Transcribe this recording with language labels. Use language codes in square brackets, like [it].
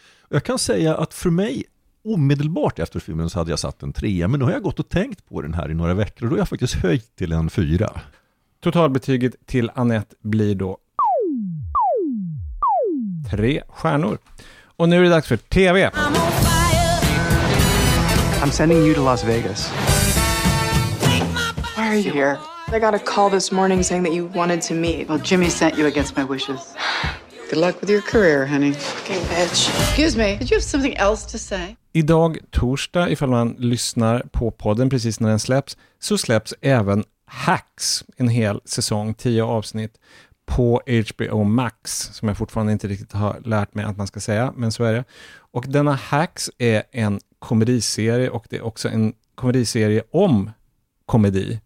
[sv] Jag kan säga att för mig, omedelbart efter filmen så hade jag satt en tre. Men nu har jag gått och tänkt på den här i några veckor, och då har jag faktiskt höjt till en fyra. Totalbetyget till Annette blir då 3 stjärnor. Och nu är det dags för TV. [en] I'm sending you to Las Vegas. Why are you here? I got a call this morning saying that you wanted to meet. Well, Jimmy sent you against my wishes. Good luck with your career, honey. Fucking bitch. Excuse me. Did you have something else to say? [sv] Idag torsdag, ifall man lyssnar på podden precis när den släpps, så släpps även Hacks en hel säsong, 10 avsnitt. På HBO Max, som jag fortfarande inte riktigt har lärt mig att man ska säga, men så är det. Och denna Hacks är en komediserie, och det är också en komediserie om komedi.